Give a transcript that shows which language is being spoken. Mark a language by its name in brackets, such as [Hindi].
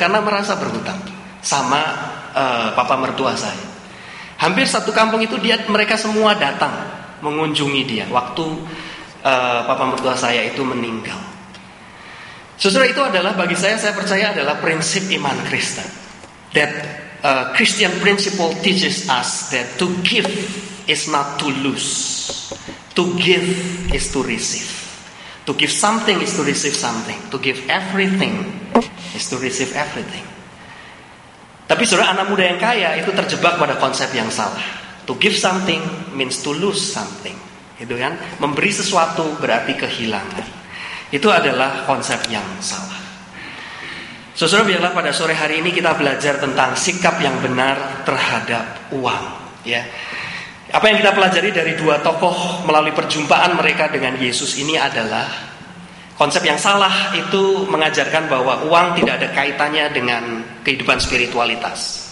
[Indonesian] Karena merasa berhutang sama papa mertua saya. Hampir satu kampung itu dia, mereka semua datang mengunjungi dia waktu papa mertua saya itu meninggal. Saudara, itu adalah bagi saya percaya adalah prinsip iman Kristen. [English] That Christian principle teaches us that to give is not to lose. To give is to receive. To give something is to receive something. To give everything is to receive everything. [Indonesian] Tapi saudara, anak muda yang kaya itu terjebak pada konsep yang salah. [English] To give something means to lose something. [Indonesian] Gitu kan? Memberi sesuatu berarti kehilangan. Itu adalah konsep yang salah. Saudara, biarlah pada sore hari ini kita belajar tentang sikap yang benar terhadap uang, ya. Apa yang kita pelajari dari dua tokoh melalui perjumpaan mereka dengan Yesus ini adalah konsep yang salah itu mengajarkan bahwa uang tidak ada kaitannya dengan kehidupan spiritualitas.